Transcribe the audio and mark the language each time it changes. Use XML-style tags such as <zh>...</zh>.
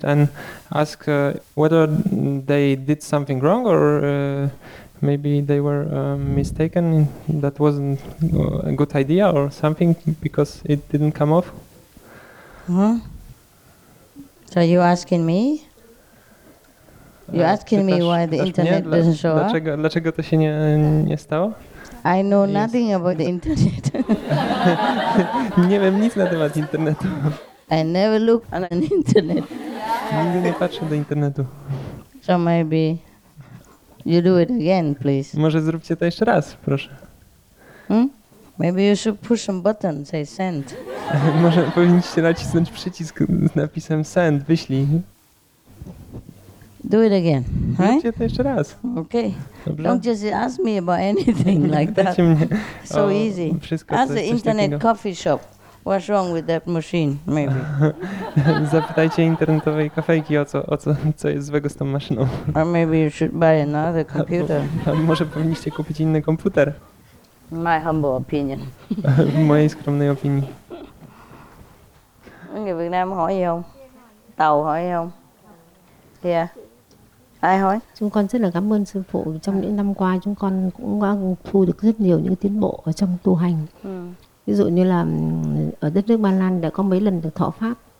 <en>And asked whether they did something wrong or maybe they were mistaken, that wasn't a good idea or something, because it didn't come off. So you're asking me? You're asking me why the internet doesn't show up?</en> <pl>Dlaczego to się nie stało?</pl> <en>I know nothing about the internet.</en> <pl>Nie wiem nic na temat internetu.</pl> <en>I never look on an internet.</en> <pl>Nigdy nie patrzę do internetu.</pl> <en>So maybe you do it again, please.</en> <pl>Może zróbcie to jeszcze raz, proszę.</pl> <en>Maybe you should push some button, say send.</en> <pl>Może powinniście nacisnąć przycisk z napisem send, wyślij.</pl> <en>Do it again.</en> <pl>Zróbcie to jeszcze raz.</pl> <en>Okay.</en> <pl>Dobrze?</pl> <en>Don't just ask me about anything like that. So easy. Ask the internet</en> <pl>takiego</pl> <en>coffee shop. What's wrong with that machine, maybe?</en> <pl>Zapytajcie internetowej kafejki co jest złego z tą maszyną.</pl> <en>Or maybe you should buy another computer.</en> <pl>Może powinniście kupić inny komputer.</pl> <en>My humble opinion.</en> <pl>W mojej skromnej opinii.</pl> <vi>Người Việt Nam hỏi gì không? Tàu hỏi gì không? Yeah. Ai hỏi? Chúng con rất là cảm ơn sư phụ. Trong những năm qua chúng con cũng đã thu được rất nhiều những tiến bộ ở trong tu hành. Ví dụ như là ở đất nước Ba Lan đã có mấy lần được thọ pháp.</vi>